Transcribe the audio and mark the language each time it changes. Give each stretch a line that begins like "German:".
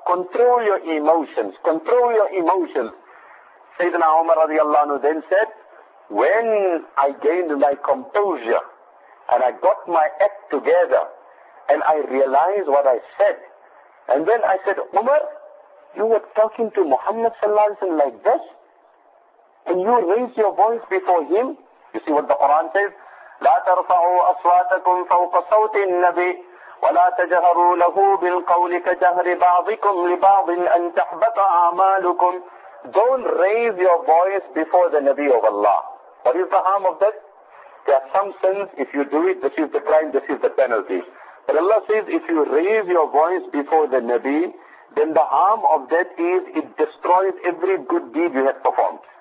English: Control your emotions. Control your emotions. Sayyidina Umar radiallahu anhu then said, when I gained my composure and I got my act together and I realized what I said, and then I said, Umar, you were talking to Muhammad sallallahu alayhi wa sallam like this and you raised your voice before him. You see what the Quran says?
Arabic: لا ترفعوا أصواتكم فوق صوت النبي ولا تجهروا له بالقول كجهر بعضكم لبعض أن تحبط أعمالكم.
English: Don't raise your voice before the Nabi of Allah. What is the harm of that? There are some sins, if you do it, this is the crime, this is the penalty. But Allah says, if you raise your voice before the Nabi, then the harm of that is, it destroys every good deed you have performed.